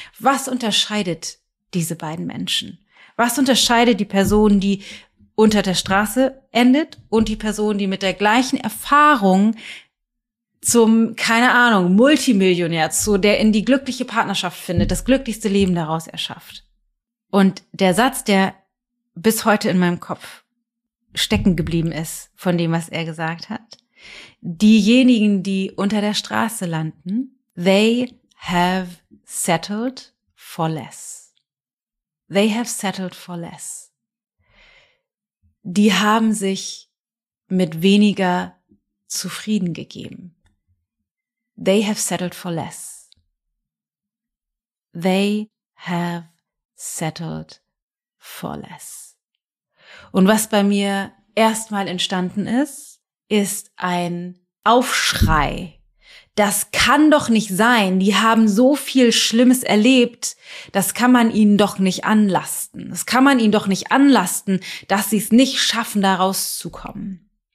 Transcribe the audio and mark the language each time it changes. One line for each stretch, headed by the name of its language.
German: Was unterscheidet diese beiden Menschen? Was unterscheidet die Person, die unter der Straße endet und die Person, die mit der gleichen Erfahrung zum, keine Ahnung, Multimillionär, zu der in die glückliche Partnerschaft findet, das glücklichste Leben daraus erschafft. Und der Satz, der bis heute in meinem Kopf stecken geblieben ist, von dem, was er gesagt hat, diejenigen, die unter der Straße landen,
English: they have settled for less. They have settled for less.
German: Die haben sich mit weniger zufrieden gegeben.
English: They have settled for less. They have settled for less.
German: Und was bei mir erstmal entstanden ist, ist ein Aufschrei. Das kann doch nicht sein. Die haben so viel Schlimmes erlebt. Das kann man ihnen doch nicht anlasten. Das kann man ihnen doch nicht anlasten, dass sie es nicht schaffen, da rauszukommen.